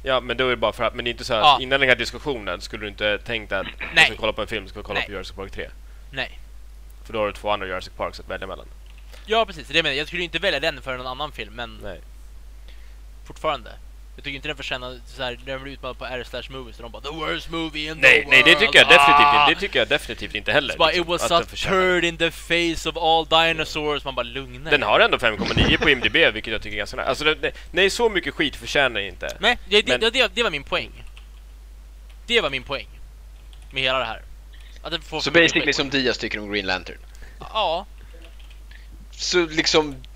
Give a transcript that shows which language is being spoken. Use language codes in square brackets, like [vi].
[sv] Ja, men då är det bara för att, men det är inte så här innan den här diskussionen skulle du inte tänkt att jag ska kolla på en film, ska kolla på Jurassic Park 3. Nej. För då har du två andra Jurassic Parks att välja mellan. Ja, precis. Det menar jag. Jag skulle inte välja den för någon annan film, men nej. Fortfarande. Jag tycker inte den förtjänar så här, den blir utmanad på r/movies och de bara [en] the worst movie in the world. [sv] Nej, det tycker jag definitivt inte. Det tycker jag definitivt inte heller. [en] But [sv] liksom, [en] it was such a turd in the face of all dinosaurs. [sv] Man bara lugna. Den har ändå 5,9 på IMDb, vilket jag tycker är ganska nära. Alltså nej, så mycket skit förtjänar inte. Nej, det var min poäng. Det var min poäng med hela det här. Att det får så basically som Diaz tycker om Green Lantern. Ja. Så liksom